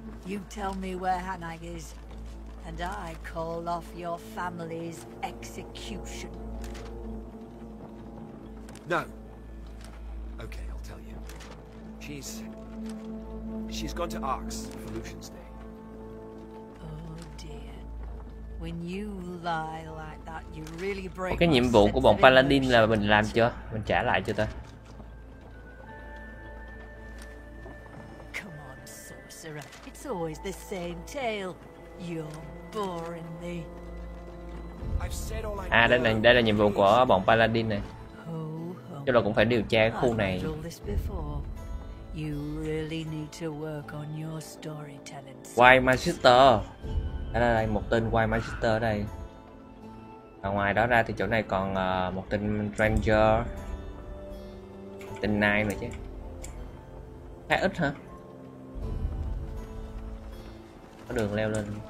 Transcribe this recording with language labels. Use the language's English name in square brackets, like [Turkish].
[English] You tell me where Hanag is, and I call off your family's execution. No. Okay, I'll tell you. She's gone to Arx for Lucian's day. Oh dear. When you lie like that, you really break. [Vietnamese] Cái nhiệm vụ của bọn Paladin là mình làm chưa? Mình trả lại chưa ta? [English] Come on, sorcerer. It's always the same tale. You're boring me. I've said all I can. [Vietnamese] À, đây là nhiệm vụ của bọn Paladin này. Chứ là cũng phải điều tra khu này. [English] You really need to work on your storytelling. Why my sister? [Vietnamese] Đây một tên White Magister ở đây. Và ngoài đó ra thì chỗ này còn một tên Ranger. Tên Knight rồi chứ. Khá ít hả? Có đường leo lên.